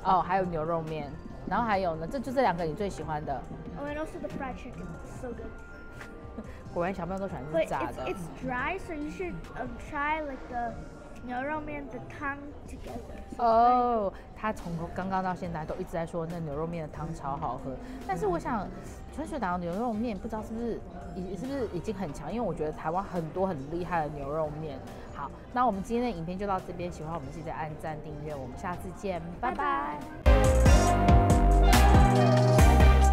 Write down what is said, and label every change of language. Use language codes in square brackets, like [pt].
[zh] 哦，还有牛肉面，然后还有呢，这两个你最喜欢的。 [en] Oh, and also the fried chicken, so good. [zh] 果然小朋友都喜欢吃炸的。 [en] But it's dry, so you should try like the. [zh] 牛肉面的汤 together 哦、oh, 他从刚刚到现在都一直在说那牛肉面的汤超好喝，但是我想春水堂牛肉面不知道是不是已经很强，因为我觉得台湾很多很厉害的牛肉面。好，那我们今天的影片就到这边，喜欢我们记得按赞订阅，我们下次见，拜拜。